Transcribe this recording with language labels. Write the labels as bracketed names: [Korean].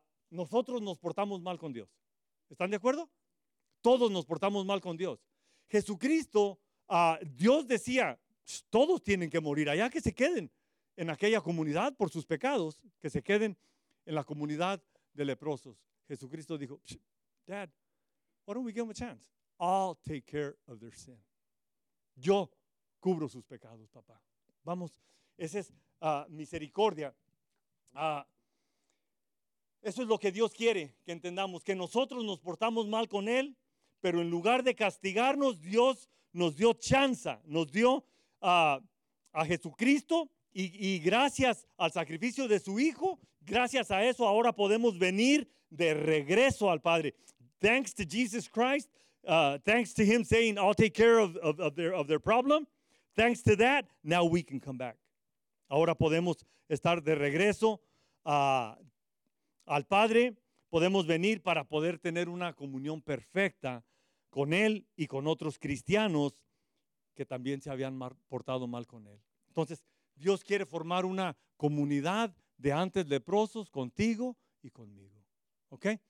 [Spanish] Nosotros nos portamos mal con Dios. ¿Están de acuerdo? Todos nos portamos mal con Dios. Jesucristo, Dios decía, todos tienen que morir allá, que se queden en aquella comunidad por sus pecados, que se queden en la comunidad de leprosos. Jesucristo dijo, [English] Dad, why don't we give them a chance? I'll take care of their sin. [Spanish] Yo cubro sus pecados, papá. Vamos, esa es misericordia. Eso es lo que Dios quiere que entendamos, que nosotros nos portamos mal con Él, Pero en lugar de castigarnos, Dios nos dio chance, nos dio a Jesucristo y gracias al sacrificio de su Hijo, gracias a eso ahora podemos venir de regreso al Padre. [English] Thanks to Jesus Christ, thanks to Him saying, I'll take care of their problem. Thanks to that, now we can come back. [Spanish] Ahora podemos estar de regreso al Padre. Podemos venir para poder tener una comunión perfecta con Él y con otros cristianos que también se habían portado mal con Él. Entonces, Dios quiere formar una comunidad de antes leprosos contigo y conmigo. ¿Ok?